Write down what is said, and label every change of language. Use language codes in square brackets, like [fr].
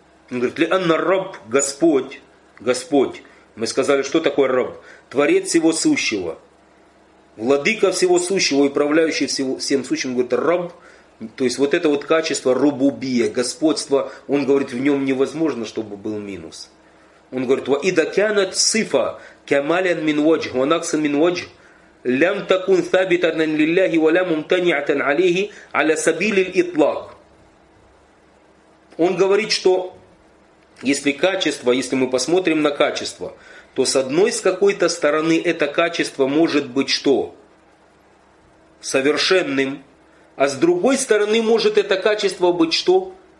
[ru] Он говорит, [ar] ли анна раб, [ru] Господь, мы сказали, что такое раб? Творец всего сущего, владыка всего сущего, управляющий всем сущим. Он говорит, раб, то есть вот это вот качество рубубия, господство, он говорит, в нем невозможно, чтобы был минус. Он говорит, [ar] ва ида кянат сифа, кямалян мин ваджх, ва наксан мин ваджх. لم تكن ثابتا لله ولا ممتنعة عليه على سبيل الإطلاق. [ru] Он говорит, что если качество, если мы посмотрим на качество, то с одной с какой-то стороны это качество может быть что? Совершенным, а с другой стороны может это качество быть что?